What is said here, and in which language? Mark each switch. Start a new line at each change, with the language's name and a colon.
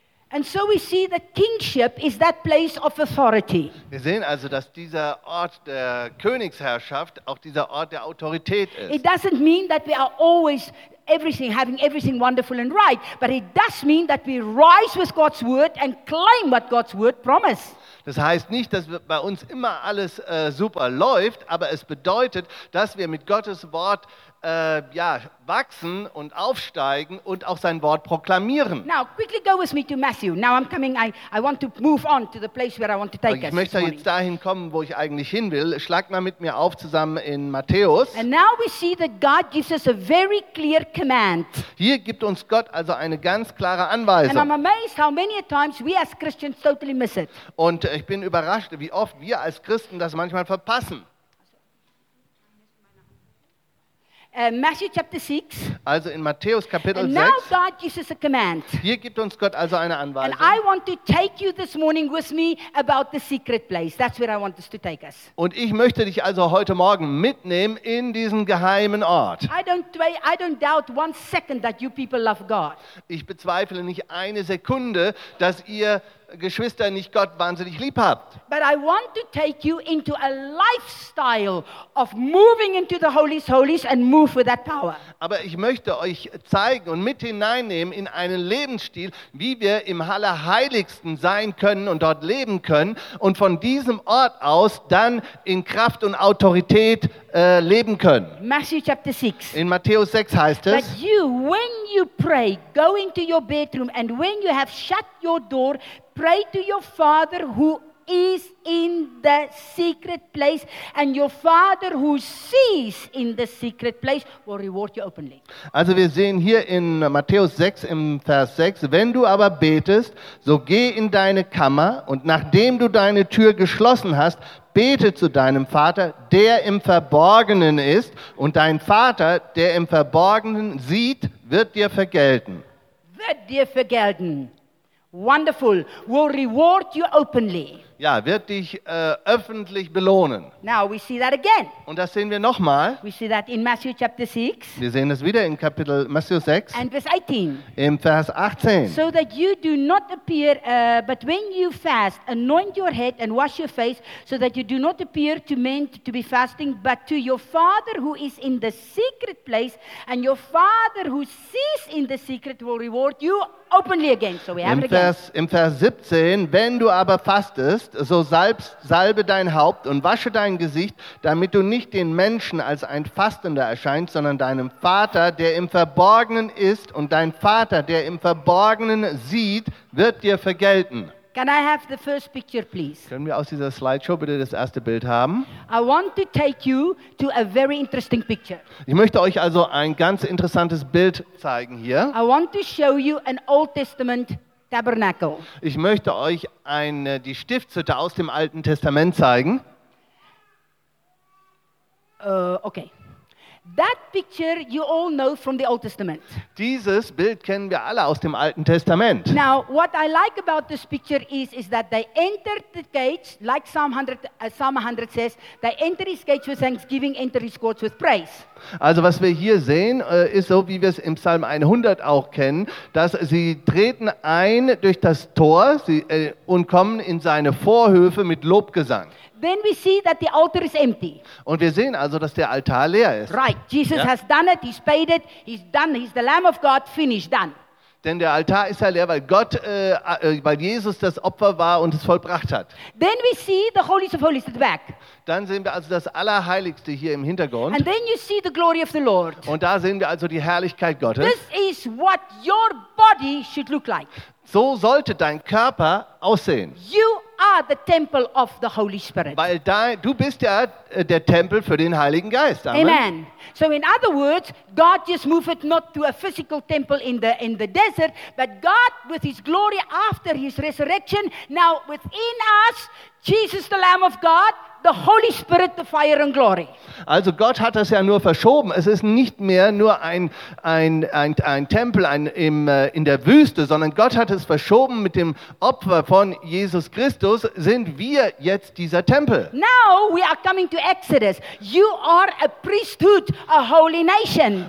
English: And so we see that kingship is that place of authority.
German: Wir sehen also, dass dieser Ort der Königsherrschaft auch dieser Ort der Autorität ist.
English: It doesn't mean that we are always everything having everything wonderful and right, but it does mean that we rise with God's word and claim what God's word promised.
German: Das heißt nicht, dass bei uns immer alles super läuft, aber es bedeutet, dass wir mit Gottes Wort wachsen und aufsteigen und auch sein Wort proklamieren.
English: Now quickly go with me to Matthew. Now I'm coming. I want to move on to the place where I want to take us.
German: Ich möchte jetzt dahin kommen, wo ich eigentlich hin will. Schlag mal mit mir auf zusammen in Matthäus.
English: And now we see that God gives us a very clear command.
German: Hier gibt uns Gott also eine ganz klare Anweisung.
English: And I'm amazed how many times we as Christians totally miss it.
German: Und ich bin überrascht, wie oft wir als Christen das manchmal verpassen.
English: Matthew chapter 6.
German: Also in Matthäus Kapitel 6.
English: And now God gives us a command.
German: Hier gibt uns Gott also eine Anweisung.
English: And I want to take you this morning with me about the secret place. That's where I want us to take us.
German: Und ich möchte dich also heute Morgen mitnehmen in diesen geheimen Ort.
English: I don't doubt one second that you people love God.
German: Ich bezweifle nicht eine Sekunde, dass ihr Geschwister nicht Gott wahnsinnig lieb habt.
English: But I want to take you into a lifestyle of moving into the Holy's Holies and move with that power.
German: Aber ich möchte euch zeigen und mit hineinnehmen in einen Lebensstil, wie wir im Allerheiligsten sein können und dort leben können und von diesem Ort aus dann in Kraft und Autorität leben können.
English: Matthew chapter 6.
German: In Matthäus 6 heißt es:
English: But you, when you pray, go into your bedroom and when you have shut your door, pray to your Father who is in the secret place, and your Father who sees in the secret place will reward you openly.
German: Also wir sehen hier in Matthäus 6 im Vers 6, wenn du aber betest, so geh in deine Kammer und nachdem du deine Tür geschlossen hast, bete zu deinem Vater, der im Verborgenen ist, und dein Vater, der im Verborgenen sieht, wird dir vergelten. Wird dir vergelten.
English: Wonderful. Will reward you openly.
German: Ja, wird dich öffentlich belohnen.
English: Now we see that again.
German: Und das sehen wir nochmal.
English: We see that in Matthew chapter 6.
German: Wir sehen es wieder in Kapitel Matthäus 6.
English: And verse 18.
German: Im Vers 18.
English: So that you do not appear, but when you fast, anoint your head and wash your face, so that you do not appear to men to be fasting, but to your Father who is in the secret place, and your Father who sees in the secret will reward you openly again. So we have
German: Im Vers,
English: it again.
German: Im Vers 17, wenn du aber fastest, so salbe dein Haupt und wasche dein Gesicht, damit du nicht den Menschen als ein Fastender erscheinst, sondern deinem Vater, der im Verborgenen ist, und dein Vater, der im Verborgenen sieht, wird dir vergelten.
English: Can I have the first picture, please?
German: Können wir aus dieser Slideshow bitte das erste Bild haben?
English: I want to take you to a very interesting picture.
German: Ich möchte euch also ein ganz interessantes Bild zeigen hier.
English: I want to show you an Old Testament tabernacle.
German: Ich möchte euch die Stiftshütte aus dem Alten Testament zeigen.
English: Okay. That picture you all know from the Old Testament.
German: Dieses Bild kennen wir alle aus dem Alten Testament.
English: Now, what I like about this picture is that they entered the gates, like Psalm 100 says, they enter his gates with thanksgiving, enter his courts with praise.
German: Also was wir hier sehen, ist so, wie wir es im Psalm 100 auch kennen, dass sie treten ein durch das Tor und kommen in seine Vorhöfe mit Lobgesang.
English: Then we see that the altar is empty.
German: Und wir sehen also, dass der Altar leer ist.
English: Right, Jesus has done it, he's paid it, he's done, he's the Lamb of God, finished, done.
German: Denn der Altar ist ja leer, weil Gott, weil Jesus das Opfer war und es vollbracht hat.
English: Then we see the Holy of Holies at the back.
German: Dann sehen wir also das Allerheiligste hier im Hintergrund.
English: And then you see the glory of the Lord.
German: Und da sehen wir also die Herrlichkeit Gottes.
English: This is what your body should look like.
German: So sollte dein Körper aussehen.
English: You are the temple of the Holy Spirit.
German: Weil du bist ja der Tempel für den Heiligen Geist.
English: Amen.
German: Amen.
English: So in other words, God just moved not to a physical temple in the desert, but God with his glory after his resurrection, now within us, Jesus the Lamb of God, the Holy Spirit, the fire and glory.
German: Also Gott hat das ja nur verschoben. Es ist nicht mehr nur ein Tempel in der Wüste, sondern Gott hat es verschoben mit dem Opfer von Jesus Christus, sind wir jetzt dieser Tempel.
English: Now we are coming to Exodus. You are a priesthood, a holy nation.